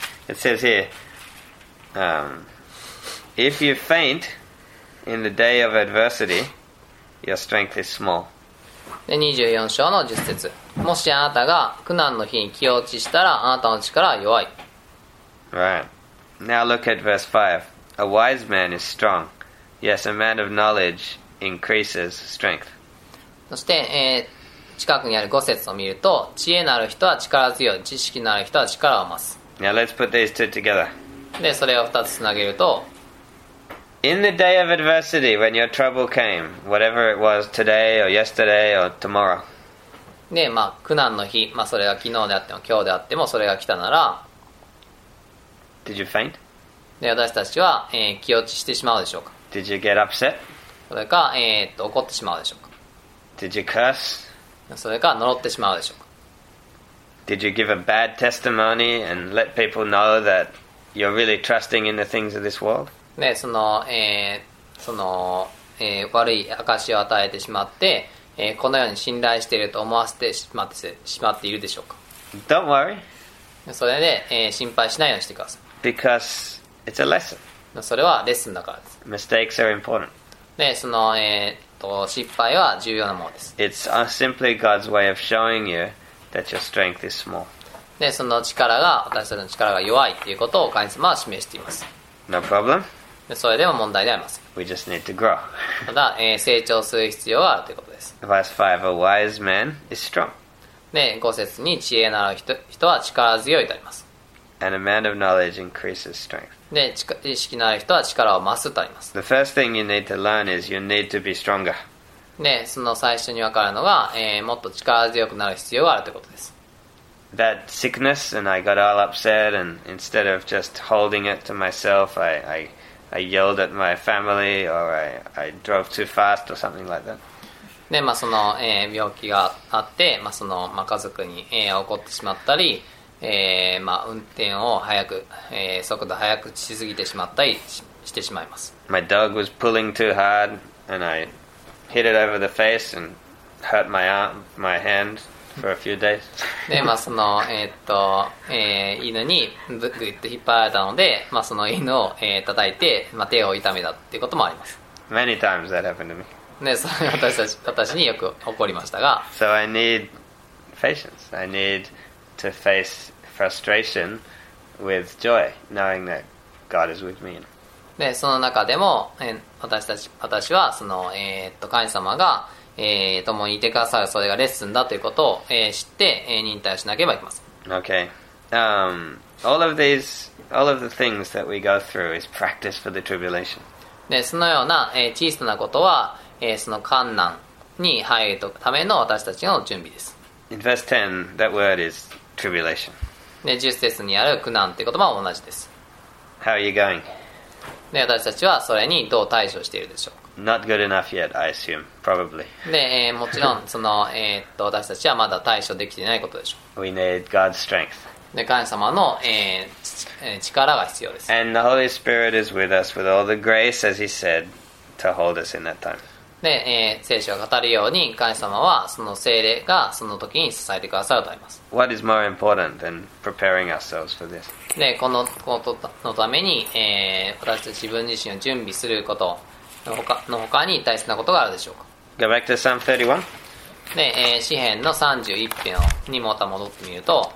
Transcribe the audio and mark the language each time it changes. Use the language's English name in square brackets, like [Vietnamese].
[English] It says here, if you faint in the day of adversity, your strength is small. [Japanese] で、24章の10節。もしあなたが苦難の日に気落ちしたら、あなたの力は弱い。 [English] Right. Now look at verse 5. A wise man is strong. Yes, a man of knowledge increases strength. [Japanese] そして、近くにある5節を見ると、知恵のある人は力強い、知識のある人は力を増す。 [English] Now let's put these two together. [Japanese] で、それを2つつなげると、 [English] In the day of adversity, when your trouble came, whatever it was today or yesterday or tomorrow. [Japanese] で、まあ、苦難の日、まあ、それが昨日であっても今日であってもそれが来たなら、 [English] Did you faint? [Japanese] で私たちは、気落ちしてしまうでしょうか。 [English] Did you get upset? [Japanese] それか、怒ってしまうでしょうか。 [English] Did you curse? [Japanese] それか呪ってしまうでしょうか。 [English] Did you give a bad testimony and let people know that you're really trusting in the things of this world? [Japanese] でその、その、悪い証を与えてしまって、このように信頼していると思わせてしまっているでしょうか。 [English] Don't worry. [Japanese] それで、心配しないようにしてください。 [English] BecauseIt's a lesson. [Japanese] それはレッスンだからです。 [English] Mistakes are important. [Japanese] で、その、失敗は重要なものです。 [English] It's simply God's way of showing you that your strength is small. [Japanese] で、その力が、私たちの力が弱いということを神様は示しています。 [English] No problem. [Japanese] で、それでも問題ではありません。 [English] We just need to grow. [Japanese] ただ、成長する必要があるということです。 [English] Verse 5, a wise man is strong. [Japanese] で、5節に知恵のある 人は力強いとあります。 [English] And a man of knowledge increases strength. [Japanese] で、意識のある人は力を増すとあります。 [English] The first thing you need to learn is you need to be stronger. [Japanese] で、その最初に分かるのが、もっと力強くなる必要があるということです。 [English] That sickness and I got all upset and instead of just holding it to myself, I yelled at my family or I drove too fast or something like that. [Japanese] で、まあ、その、病気があって、まあ、その、まあ、家族に、怒ってしまったり、まあ、運転を速く、速度速くしすぎてしまったり してしまいます。 [English] My dog was pulling too hard and I hit it over the face and hurt my arm, my hand for a few days. [Japanese] で、まあ、その、犬にグッと引っ張られたので、まあ、その犬を、叩いて、まあ、手を痛めたっていうこともあります。 [English] Many times that happened to me. [Japanese] で、それが私によく起こりましたが。 [English] So I need patience. I needto face frustration with joy, knowing that God is with me. [Japanese] で、その中でも、私はその、神様が、共にいてくださる、それがレッスンだということを、知って、忍耐しなければいけません。 [English] Okay. All of the things that we go through is practice for the tribulation. [Japanese] で、そのような、小さなことは、その患難に入るための私たちの準備です。 [English] In verse 10, that word is... [Japanese] で、10節にある苦難という言葉も同じです。 [English] How are you going? [Japanese] で、私たちはそれにどう対処しているでしょうか。 [English] Not good enough yet, I assume, probably. [Japanese] で、もちろんその、私たちはまだ対処できていないことでしょう。 [English] We need God's strength. [Japanese] で、神様の、力が必要です。 [English] And the Holy Spirit is with us with all the grace, as He said, to hold us in that time. [Japanese] で、聖書が語るように神様はその聖霊がその時に支えてくださるとあります。 [English] What is more important than preparing ourselves for this? [Japanese] で、このことのために、私たち自分自身を準備することの他に大切なことがあるでしょうか。 [English] Go back to Psalm 31. [Japanese] で、詩編の31編にまた戻ってみると、